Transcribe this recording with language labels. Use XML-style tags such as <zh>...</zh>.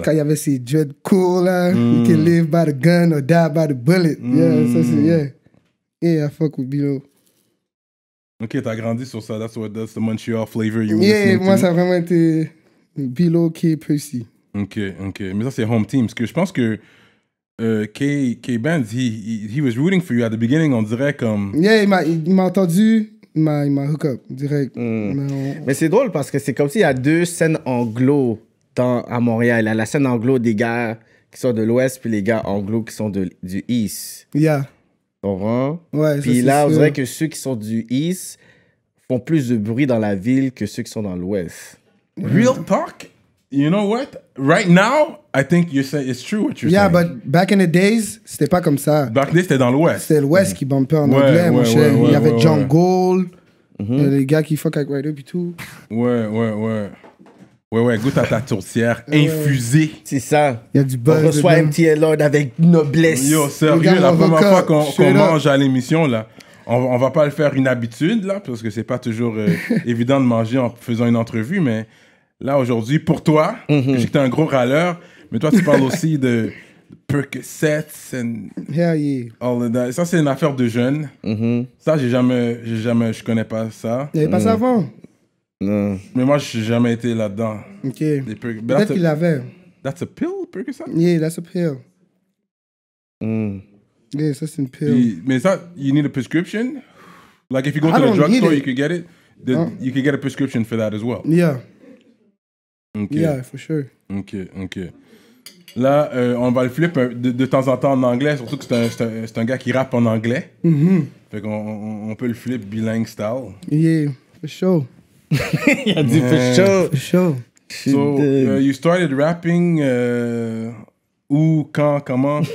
<fr>Quand il y avait ces dread cool, là,</fr> <en>you can live by the gun or die by the bullet. Mm. Yeah,</en> <fr>ça c'est,</fr> <en>yeah. Yeah, I fuck with Below.</en> <fr>Ok, t'as grandi sur ça,</fr> <en>that's the Montreal flavor you were listening to.</en> <fr>Yeah, moi, ça a vraiment été Below, K, Percy. Ok. Mais ça, c'est home team, parce que je pense que.</fr> <en>K-Benz, he was rooting for you at the beginning,</en> <fr>on dirait comme... Yeah, il m'a entendu, il m'a hook up, direct. Mais c'est drôle parce que c'est comme s'il y a deux scènes anglo à Montréal. Il y a la scène anglo des gars qui sont de l'Ouest, puis les gars anglo qui sont du East.</fr> <en>Yeah.</en> <fr>Tu comprends? Ouais, puis là, on dirait que ceux qui sont du East font plus de bruit dans la ville que ceux qui sont dans l'Ouest.</fr> <en>Mm. Real talk? You know what? Right now, I think you say it's true what you're saying. Yeah, but back in the days,</en> <fr>c'était pas comme ça.</fr> <en>Back then,</en> <fr>c'était dans l'Ouest. C'était l'Ouest qui bumpait en anglais, mon cher. Il y avait John Gold, les gars qui fuck avec Ryder et tout. Ouais. Goûte à ta tourtière infusée. C'est ça. Il y a du buzz. On reçoit MTL Lord avec noblesse. Yo, sérieux, la première fois qu'on mange à l'émission, là. On va pas le faire une habitude, là, parce que c'est pas toujours évident de manger en faisant une entrevue, mais. Là, aujourd'hui, pour toi, j'étais un gros râleur, mais toi, tu parles aussi de Percocets and</fr> <en>hell yeah. All of that.</en> <fr>Ça, c'est une affaire de jeunes. Mm-hmm. Ça, j'ai jamais, je connais pas ça. Il n'y avait pas ça avant. Mais moi, je n'ai jamais été là-dedans. OK. Peut-être qu'il l'avait.</fr> <en>That's a pill, Percocets? Yeah, that's a pill.</en> <fr>Yeah, ça, c'est une pill. Mais ça,</fr> <en>you need a prescription? Like, if you go to the drugstore, you could get it. You could get a prescription for that as well. Yeah. Okay. Yeah, for sure. Ok.</en> <fr>Là, on va le flip de temps en temps en anglais, surtout que c'est un gars qui rappe en anglais. Mm-hmm. Fait qu'on peut le flip bilingue style.</fr> <en>Yeah, for sure.</en> <fr>Il a dit</fr> <en>for sure. For sure. So, you started rapping</en> <fr>où, quand, comment?</fr>